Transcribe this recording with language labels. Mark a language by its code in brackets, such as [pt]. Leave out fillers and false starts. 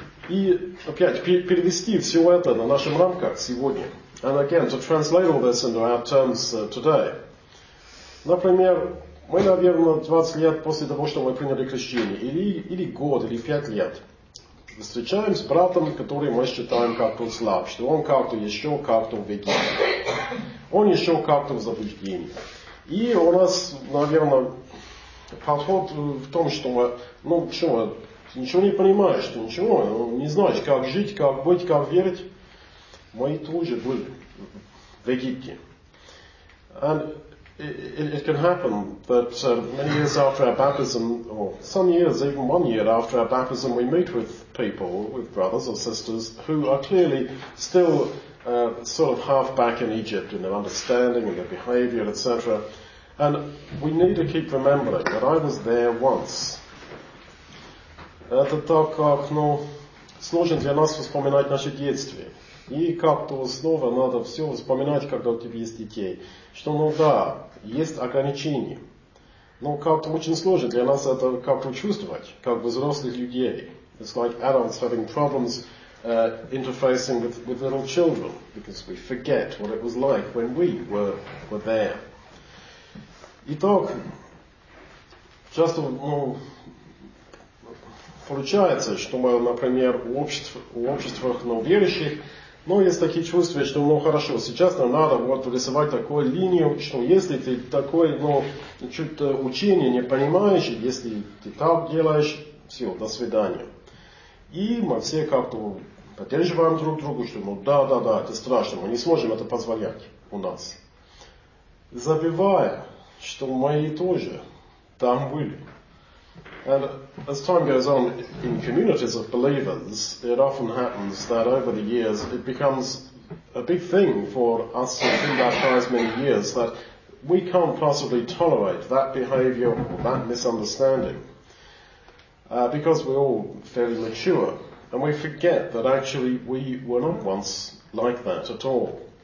[ru] И опять перевести все это на наших рамках сегодня. [en] And again, to translate all this into our terms today. [ru] Например, мы, наверное, 20 лет после того, что мы приняли крещение, или год, или 5 лет, встречаем с братом, который мы считаем как-то слаб, что он как-то еще как-то в Египте. Он еще как-то в заблуждении. И у нас, наверное, подход в том, что, ну, что, ты ничего не понимаешь, ты ничего, ну, не знаешь, как жить, как быть, как верить. Мы тоже были в Египте. [en] And it can happen that many years after our baptism, or some years, even 1 year after our baptism, we meet with people, with brothers or sisters, who are clearly still sort of half back in Egypt in their understanding and their behavior, etc. And we need to keep remembering that I was there once. [ru] Это так, как, ну, сложно для нас вспоминать наше детство. И как-то снова надо все вспоминать, когда у тебя есть детей. Что, ну да, есть ограничения. Но как-то очень сложно для нас это как-то чувствовать, как взрослых людей. [en] It's like adults having problems interfacing with little children, because we forget what it was like when we were there. [ru] Итак, часто, ну, получается, что мы, например, в обществах верующих, ну, есть такие чувства, что, ну, хорошо, сейчас нам надо вот рисовать такую линию, что если ты такое, ну, чуть-то учение не понимаешь, если ты так делаешь, все, до свидания. И мы все как-то поддерживаем друг друга, что ну да, да, да, это страшно, мы не сможем это позволять у нас. Забывая, что мои тоже там были. [en] And as time goes on in communities of believers, it often happens that over the years it becomes a big thing for us who have been baptized many years that we can't possibly tolerate that behavior or that misunderstanding because we're all fairly mature and we forget that actually we were not once like that at all.